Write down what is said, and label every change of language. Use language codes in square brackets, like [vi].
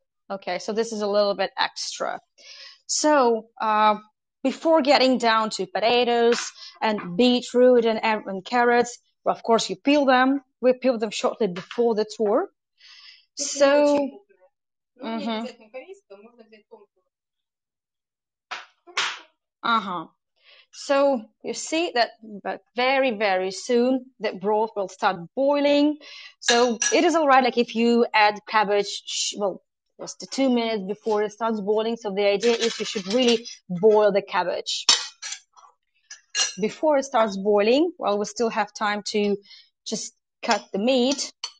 [en] Okay. So this is a little bit extra. So, before getting down to potatoes and beetroot and carrots, well, of course you peel them. We peel them shortly before the tour. [ru] Тут не очень [en] So, [ru] крупная. Ну, не обязательно корейская, можно взять тонкую. [en] So you see that very, very soon the broth will start boiling. So it is all right, like if you add cabbage, well, just 2 minutes before it starts boiling. So the idea is you should really boil the cabbage. Before it starts boiling, well, we still have time to just cut the meat.